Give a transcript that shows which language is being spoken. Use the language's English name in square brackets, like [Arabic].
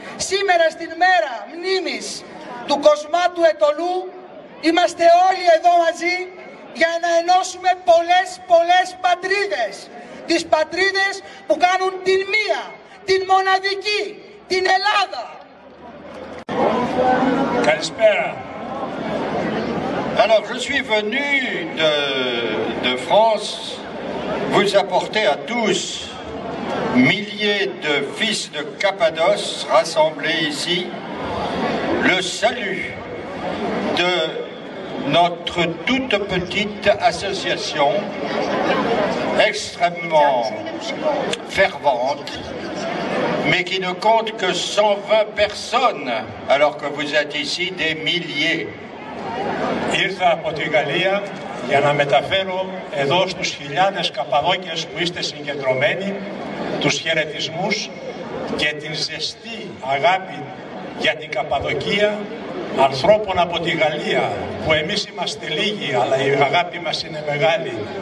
[Greek] Σήμερα στην μέρα μνήμης του Κοσμάτου Ετωλού είμαστε όλοι εδώ μαζί για να ενώσουμε πολλές πατρίδες. Τις πατρίδες που κάνουν την μία, την μοναδική, την Ελλάδα. Καλησπέρα. [French] Alors, je suis venu de France vous apporter à tous milliers de fils de Cappadoce rassemblés ici le salut de notre toute petite association extrêmement fervente mais qui ne compte que 120 personnes alors que vous êtes ici des milliers. [Greek] Ήρθα από τη Γαλλία για να μεταφέρω εδώ στους χιλιάδες Καπαδόκες που είστε συγκεντρωμένοι τους χαιρετισμούς και την ζεστή αγάπη για την Καπαδοκία ανθρώπων από τη Γαλλία, που εμείς είμαστε λίγοι αλλά η αγάπη μας είναι μεγάλη.